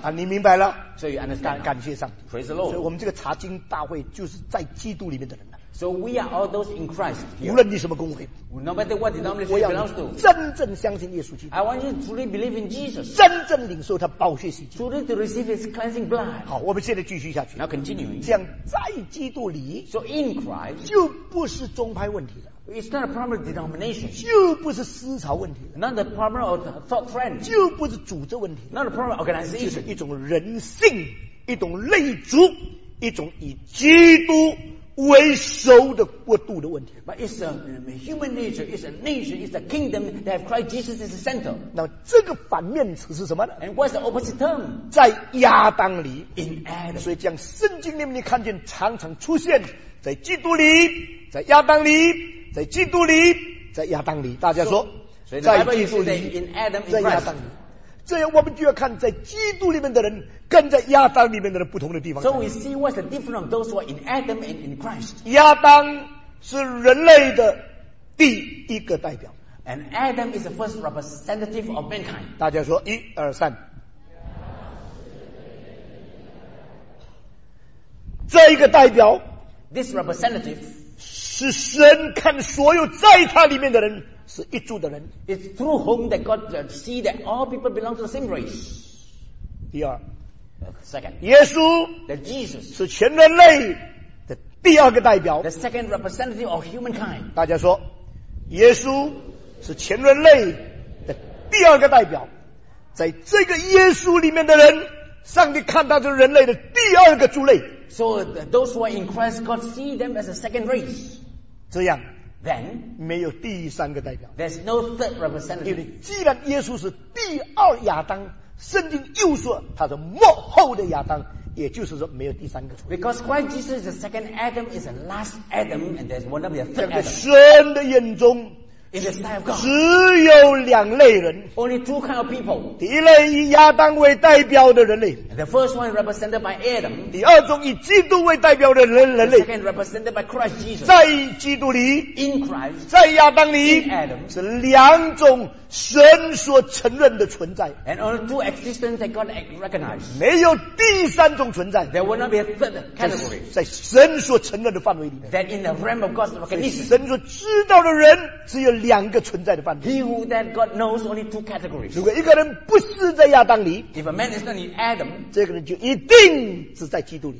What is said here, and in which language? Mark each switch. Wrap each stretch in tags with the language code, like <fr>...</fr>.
<zh>啊，你明白了。</zh> <en>So you understand.</en> <zh>感谢上帝。</zh> <en>Praise the Lord.</en> <zh>所以我们这个查经大会就是在基督里面的人了。</zh> <en>So we are all those in Christ.</en> <zh>无论你什么公会。</zh> <en>No matter what denomination you belong to.</en> <zh>真正相信耶稣基督。</zh> <en>I want you to truly believe in Jesus.</en> <zh>真正领受他宝血洗净。</zh> <en>Truly to receive his cleansing blood.</en> <zh>好，我们现在继续下去。</zh> <en>Now continuing.</en> <zh>这样在基督里。</zh> <en>So in Christ.</en> <zh>就不是宗派问题了。</zh> <en>It's not a problem of denomination.</en> <zh>就不是思潮问题。</zh> <en>Not a problem of thought trend.</en> <zh>就不是组织问题。</zh> <en>Not a problem of organization.</en> <zh>就是一种人性，一种类族，一种以基督为首的国度的问题。</zh> <en>But it's a human nature. It's a nation. It's a kingdom that have Christ Jesus as the center.</en> <zh>那这个反面词是什么呢？</zh> <en>And what's the opposite term?</en> <zh>在亚当里。</zh> <en>In Adam.</en> <zh>所以这样圣经里面你看见常常出现在基督里，在亚当里。在基督里，在亚当里，大家说，在基督里，在亚当里，这样我们就要看在基督里面的人跟在亚当里面的人不同的地方。</zh> <en>So we see what's the difference of those who are in Adam and in Christ.</en> <zh>亚当是人类的第一个代表。</zh> <en>And Adam is the first representative of mankind.</en> <zh>大家说，一二三，这一个代表</zh> <en>，this representative。</en> <zh>是神看所有在他里面的人是一族的人。</zh> <en>It's through whom that God see that all people belong to the same race.</en> <zh>第二</zh> <en>，second，</en> <zh>耶稣</zh> <en>，the Jesus，</en> <zh>是全人类的第二个代表</zh> <en>，the second representative of humankind。</en> <zh>大家说，耶稣是全人类的第二个代表，在这个耶稣里面的人，上帝看到的人类的第二个族类。</zh> <en>So those who are in Christ, God see them as a second race.</en> <zh>这样</zh> <en>then</en> <zh>没有第三个代表。</zh> <en>There's no third representative.</en> <zh>因为既然耶稣是第二亚当，圣经又说他是末后的亚当，也就是说没有第三个。</zh> <en>Because why Jesus is the second Adam is the last Adam and there's one of the third Adam.</en> <zh>在神的眼中。</zh> <en>In the sight of God,</en> <zh>只有两类人</zh> <en>only two kind of people.</en> <zh>第一类以亚当为代表的人类</zh> <en>the first one represented by Adam.</en> <zh>第二种以基督为代表的人类</zh> <en>the second represented by Christ Jesus.</en> <zh>在基督里</zh> <en>in Christ,</en> <zh>在亚当里</zh> <en>in Adam.</en> <zh>是两种神所承认的存在</zh> <en>and only two existence that God recognized.</en> <zh>没有第三种存在</zh> <en>there will not be a third category.</en> <zh>在神所承认的范围里</zh> <en>that in the realm of God's recognition.</en> <zh>神所知道的人只有两个存在的范</zh> <en>围。He who that God knows only two categories.</en> <zh>如果一个人不是在亚当里</zh> <en>，If a man is not in Adam,</en> <zh>这个人就一定是在基督里。</zh>